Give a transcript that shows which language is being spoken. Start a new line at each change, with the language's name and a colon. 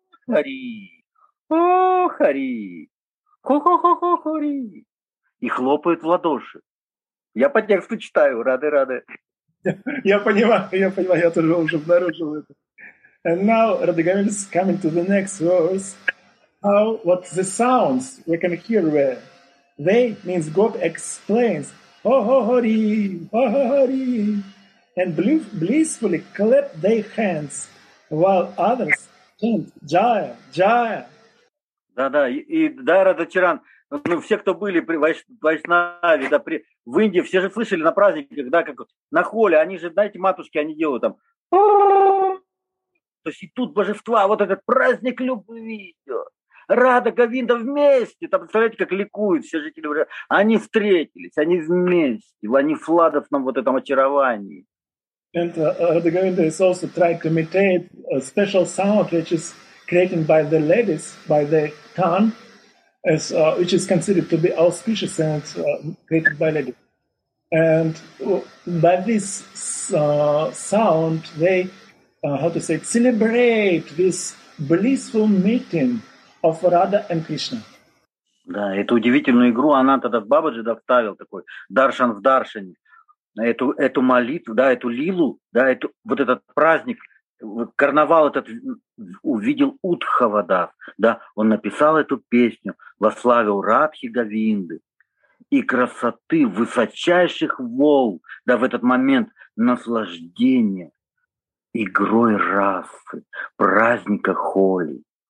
Russian: Хари, о, хари, хо-хо-хо-хо-хари. И хлопают в ладоши. Я по тексту читаю, рады-рады. Я понимаю, я тоже уже обнаружил это.
English: And now Radha Govinda is coming to the next verse. How what the sounds we can hear where they means God explains ho ho hori ho ho hori and blissfully clap their hands while others chant jaya jaya.
Russian: Да-да, и Радха Чаран. Ну, все, кто были при Вайшнаве, да, в Индии, все же слышали на праздниках, да, как на холе, они же, знаете, матушки, они делают там. То есть и тут божества, вот этот праздник любви идет. Радха Говинда вместе, там, представляете, как ликуют все жители. Они встретились, они вместе, они в сладостном вот этом очаровании.
English: And Radha Govinda is also trying to imitate a special sound, which is created by the ladies, by the khan. As, which is considered to be auspicious and created by lady. And by this sound, they, celebrate this blissful meeting of Radha and Krishna.
Russian: Да, эту удивительную игру Ананта Дас Бабаджи доставил такой, даршан в даршане. эту молитву, да, эту лилу, да, эту, вот этот праздник, карнавал этот увидел Удхава Дас, да, он написал эту песню, вославил Радхи Говинды и красоты высочайших волн, да, в этот момент наслаждение игрой расы, праздника Холи.